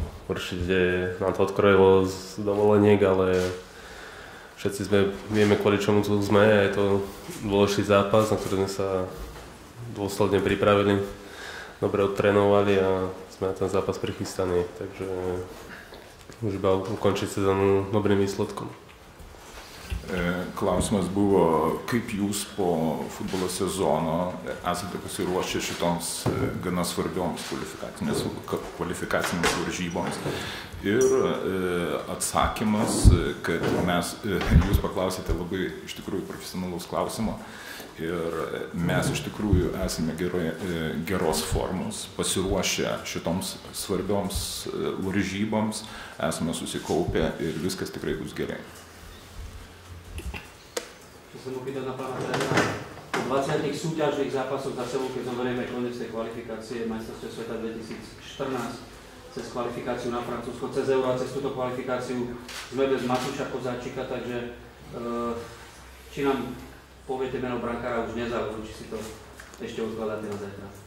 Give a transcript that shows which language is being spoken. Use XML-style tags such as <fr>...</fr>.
<sk>Určite nám to odkrojilo z dovoleniek, ale všetci sme, vieme, kvôli čomu tu sme, je to dôležitý zápas, na ktorý sme sa dôsledne pripravili. Dobre odtrénovali a sme na ten zápas prichystaní, takže už iba ukončiť sezónu dobrým výsledkom.</sk> <lt>Klausimas buvo, kaip jūs po futbolo sezono esate pasiruošę šitoms gana svarbioms kvalifikacinėms varžyboms. Ir atsakymas, kad mes, jūs paklausėte labai iš tikrųjų profesionalaus klausimo, ir mes iš tikrųjų esame geros formos, pasiruošę šitoms svarbioms varžyboms, esame susikaupę ir viskas tikrai bus gerai.</lt> <sk>Chcem opýtať na pána trénera. V 20 súťažných zápasoch za sebou, keď zoberieme koniec tej kvalifikácie majstrovstiev sveta 2014, cez kvalifikáciu na Francúzsko, cez Euro, cez túto kvalifikáciu sme bez Matúša Kozáčika, takže či nám poviete meno brankára už nezávodu, či si to ešte odkladáte na zajtra?</sk>